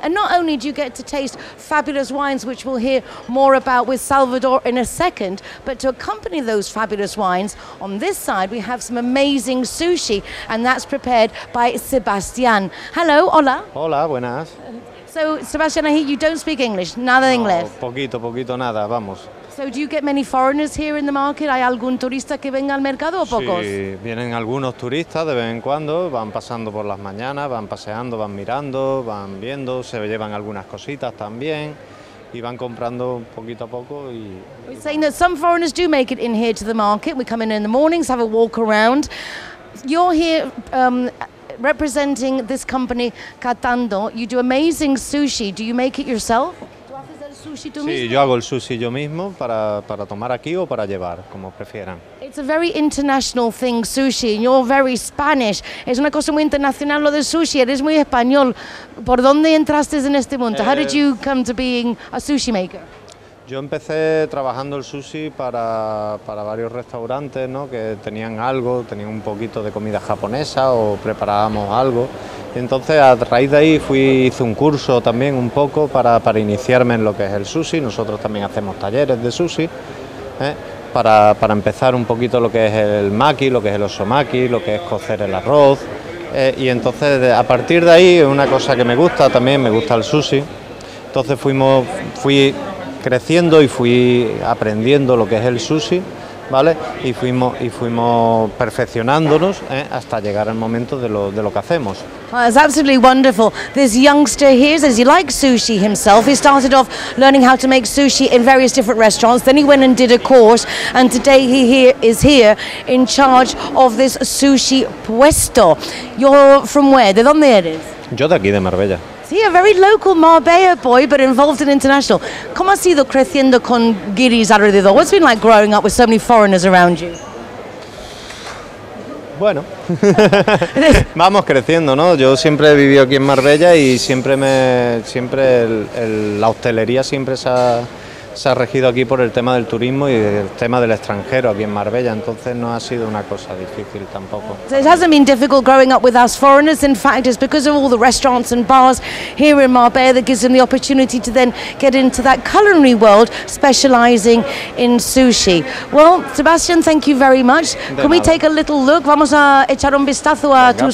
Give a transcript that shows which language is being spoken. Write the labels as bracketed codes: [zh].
[en] And not only do you get to taste fabulous wines, which we'll hear more about with Salvador in a second, but to accompany those fabulous wines, on this side we have some amazing sushi, and that's prepared by Sebastian. Hello, [es] hola. Hola, buenas. [en] So, Sebastian, I hear you don't speak English, [es] nada de inglés. No, poquito, poquito, nada, vamos. [en] So, do you get many foreigners here in the market? [es] ¿Hay algún turista que venga al mercado o pocos? Sí, vienen algunos turistas de vez en cuando, van pasando por las mañanas, van paseando, van mirando, van viendo, se llevan algunas cositas también. Y van comprando poquito a poco y [en] we're saying that some foreigners do make it in here to the market. We come in the mornings, have a walk around. You're here representing this company, Catando. You do amazing sushi. Do you make it yourself? [es] Sí, yo hago el sushi yo mismo para tomar aquí o para llevar, como prefieran. [en] It's a very international thing, sushi, and you're very Spanish. [es] Es una cosa muy internacional lo del sushi, eres muy español. ¿Por dónde entraste en este mundo? [en] How did you come to being a sushi maker? [es] Yo empecé trabajando el sushi para varios restaurantes, ¿no? Que tenían algo, tenían un poquito de comida japonesa o preparábamos algo. Y entonces, a raíz de ahí, hice un curso también un poco para iniciarme en lo que es el sushi. Nosotros también hacemos talleres de sushi, ¿eh? Para empezar un poquito lo que es el maki, lo que es el osomaki, lo que es cocer el arroz. Y entonces, a partir de ahí, una cosa que me gusta también, me gusta el sushi. Entonces fui creciendo y fui aprendiendo lo que es el sushi, ¿vale? Y fuimos perfeccionándonos, ¿eh? Hasta llegar al momento de lo que hacemos. [en] Well, it's absolutely wonderful. This youngster here says he likes sushi himself. He started off learning how to make sushi in various different restaurants. Then he went and did a course, and today he is here in charge of this sushi puesto. You're from where? [es] ¿De dónde eres? Yo de aquí, de Marbella. [en] Sí, a very local Marbella boy, but involved in international. [es] ¿Cómo has ido creciendo con guiris alrededor? [en] What's been like growing up with so many foreigners around you? [es] Bueno, vamos creciendo, ¿no? Yo siempre he vivido aquí en Marbella y siempre la hostelería siempre se ha, se ha regido aquí por el tema del turismo y el tema del extranjero aquí en Marbella, entonces no ha sido una cosa difícil tampoco. [en] It hasn't been difficult growing up with us foreigners. In fact, it's because of all the restaurants and bars here in Marbella that gives them the opportunity to then get into that culinary world, specializing in sushi. Well, Sebastian, thank you very much. Can we take a little look? [es] Vamos a echar un vistazo a tus